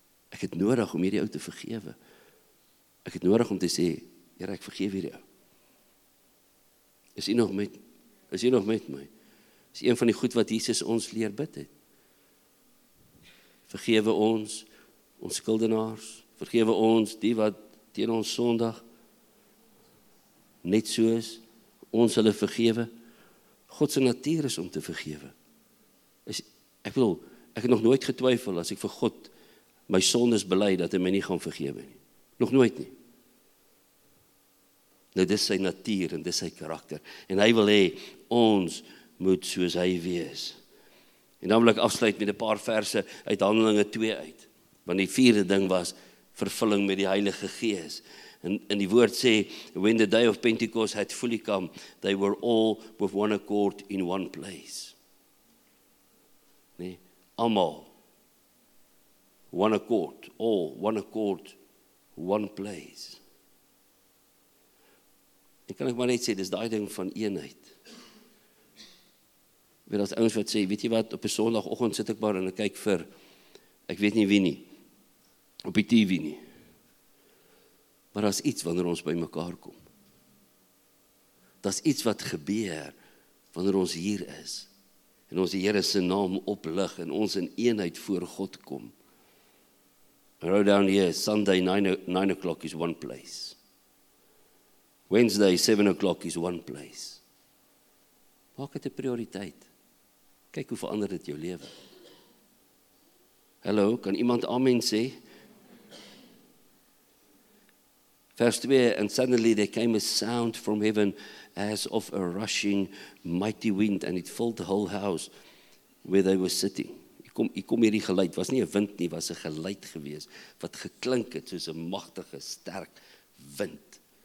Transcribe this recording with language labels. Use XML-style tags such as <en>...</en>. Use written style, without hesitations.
<af>Ek het nodig om hierdie ou te vergewe. Ek het nodig om te sê, Here, ek vergewe hierdie ou. Is jy nog met my? Is een van die goed wat Jesus ons leer bid het? Vergewe ons, ons skuldenaars, vergewe ons die wat teen ons sondig, net soos ons hulle vergewe. God se natuur is om te vergewe. Ek het nog nooit getwyfel as ek vir God my sondes bely dat hy my nie gaan vergewe nie. Nog nooit nie. Nou dis sy natuur en dis sy karakter. En hy wil hê ons moet soos hy wees. En dan wil ek afsluit met 'n paar verse uit Handelinge 2 uit. Want die vierde ding was vervulling met die Heilige Gees. En die woord sê,</af> <en>when the day of Pentecost had fully come, they were all with one accord in one place.</en> <af>Nee, allemaal.</af> <en>One accord, all, one accord, one place.</en> <af>En kan ek maar net sê, dis die ding van eenheid. Weet as ons wat sê, weet jy wat, op 'n sondagoggend sit ek maar en ek kyk vir, ek weet nie wie nie, op die TV nie. Maar daar is iets wanneer ons by mekaar kom. Daar is iets wat gebeur wanneer ons hier is en ons die Here se naam oplig en ons in eenheid voor God kom.</af> <en>Write down here, Sunday 9 o'clock is one place. Wednesday 7 o'clock is one place.</en> <af>Maak dit 'n prioriteit. Kyk hoe verander dit jou lewe. Hallo, kan iemand amen sê?</af> <en>Verse 2, and suddenly there came a sound from heaven as of a rushing mighty wind, and it filled the whole house where they were sitting.</en> <af>Ek kom hierdie geluid, was nie 'n wind nie, was 'n geluid gewees, wat geklink het soos 'n magtige, sterk wind.</af>